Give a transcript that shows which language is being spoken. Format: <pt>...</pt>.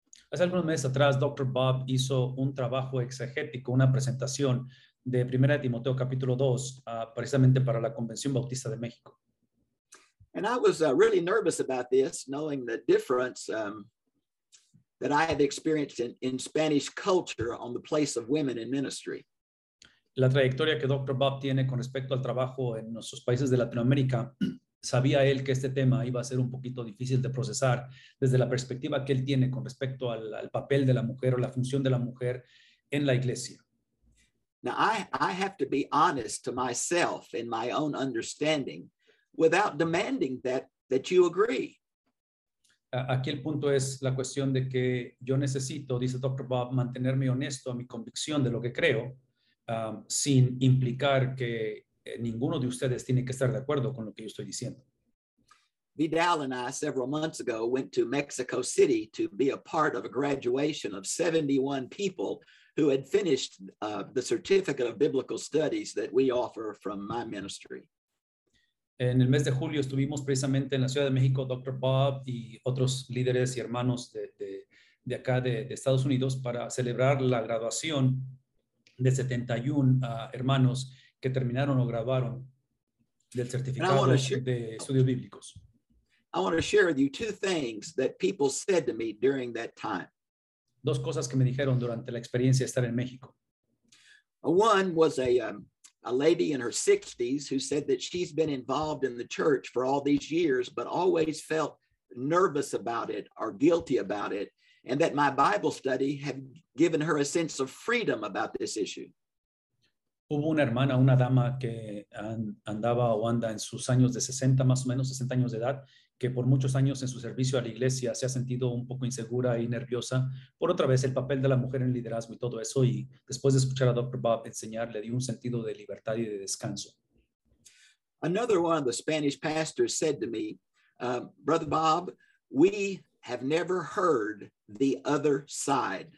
<es>Hace algunos meses atrás, Dr. Bob hizo un trabajo exegético, una presentación de 1 Timoteo capítulo 2, precisamente para la Convención Bautista de México.</es> <en>And I was really nervous about this, knowing the difference that I had experienced in Spanish culture on the place of women in ministry.</en> <es>La trayectoria que Dr. Bob tiene con respecto al trabajo en nuestros países de Latinoamérica, sabía él que este tema iba a ser un poquito difícil de procesar desde la perspectiva que él tiene con respecto al papel de la mujer o la función de la mujer en la iglesia.</es> <en>Now, I have to be honest to myself in my own understanding without demanding that you agree.</en> <es>Aquí el punto es la cuestión de que yo necesito, dice Dr. Bob, mantenerme honesto a mi convicción de lo que creo, sin implicar que ninguno de ustedes tiene que estar de acuerdo con lo que yo estoy diciendo.</es> <en>Vidal and I, several months ago, went to Mexico City to be a part of a graduation of 71 people who had finished the Certificate of Biblical Studies that we offer from my ministry.</en> <es>En el mes de julio estuvimos precisamente en la Ciudad de México, Dr. Bob y otros líderes y hermanos de acá de Estados Unidos para celebrar la graduación de 71 hermanos que terminaron o graduaron del certificado de estudios bíblicos.</es> <en>I want to share with you two things that people said to me during that time.</en> <es>Dos cosas que me dijeron durante la experiencia de estar en México.</es> <en>One was a lady in her 60s who said that she's been involved in the church for all these years, but always felt nervous about it or guilty about it, and that my Bible study had given her a sense of freedom about this issue.</en> <es>Hubo una hermana, una dama que andaba o anda en sus años de 60, más o menos 60 años de edad, que por muchos años en su servicio a la iglesia se ha sentido un poco insegura y nerviosa por otra vez el papel de la mujer en liderazgo y todo eso. Y después de escuchar a Dr. Bob enseñar, le dio un sentido de libertad y de descanso.</es> <en>Another one of the Spanish pastors said to me, Brother Bob, we have never heard the other side.</en>